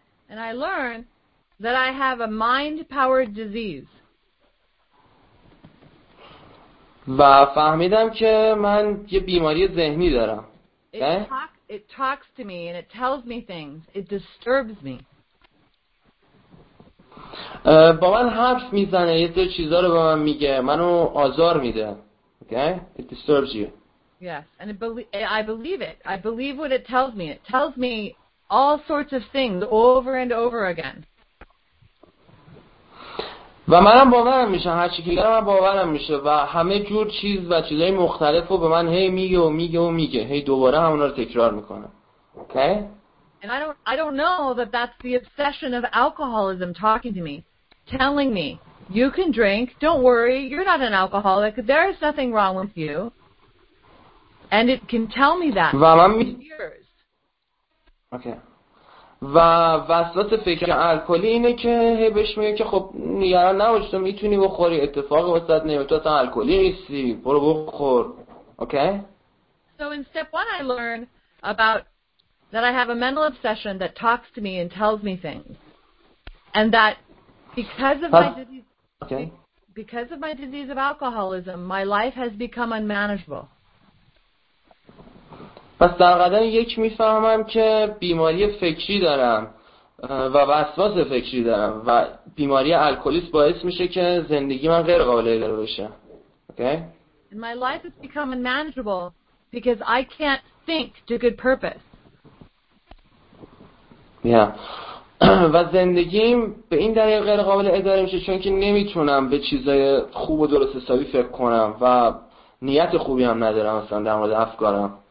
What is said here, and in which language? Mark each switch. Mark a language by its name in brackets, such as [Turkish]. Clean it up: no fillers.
[English] And I learned that I have a mind-powered disease. [Persian] و فهمیدم که من یه بیماری ذهنی دارم. [English] It talks to me and it tells me things. It disturbs me. [Persian] با من حرف میزنه، یه سری چیزا رو به من میگه، منو آزار میده. [English] Okay? It disturbs you. Yeah. Yes, and I believe it. I believe what it tells me. It tells me all sorts of things over and over again. [Persian] و منم باورم میشه، هر چی که من باورم میشه و همه جور چیز و چیزهای مختلف رو به من هی میگه و میگه و میگه، هی دوباره همون رو تکرار میکنه. [English] Okay? And I don't know that that's the obsession of alcoholism talking to me, telling me, you can drink, don't worry, you're not an alcoholic, there is nothing wrong with you. And it can tell me that. [Persian] و من میگم اوکی. و وسواس فکر الکلی اینه که هی بهش میگه که خب نگران نباش، تو میتونی بخوری، اتفاقی واسات نمیفته، تو الکلی نیستی، برو بخور. [English] Okay? So in step one I learn about that I have a mental obsession that talks to me and tells me things. And that because of my disease Okay. Because of my disease of alcoholism, my life has become unmanageable. [Persian] پس در قدم یک میفهمم که بیماری فکری دارم و وسواس فکری دارم و بیماری الکلیست باعث میشه که زندگی من غیر قابل اداره بشه. [English] Okay? And my life has become unmanageable because I can't think to good purpose. Yeah. [Persian] و زندگیم به این دلیل غیر قابل اداره میشه چون که نمیتونم به چیزای خوب و درست حسابی فکر کنم و نیت خوبی هم ندارم مثلا در مورد افکارم.